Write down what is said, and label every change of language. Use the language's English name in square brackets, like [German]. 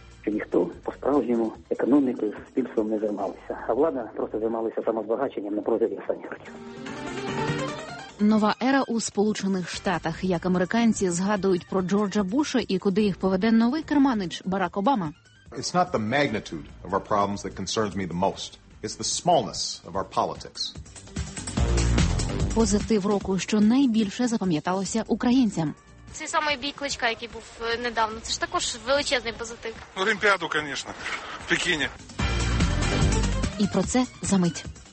[Ukrainian] Ніхто по-справжньому економікою, суспільством не займався, а влада просто займалася самозбагаченням на протязі останніх років. Нова ера у Сполучених Штатах. Як американці згадують про Джорджа Буша і куди їх поведе новий керманич Барак Обама? [English] It's not the magnitude of our problems that concerns me the most. It's the smallness of our politics. [Ukrainian] Позитив року, що найбільше запам'яталося українцям. Цей самий бій Кличка, який був недавно, це ж також величезний позитив. Олімпіаду, звісно, в Пекіні. І про це за мить.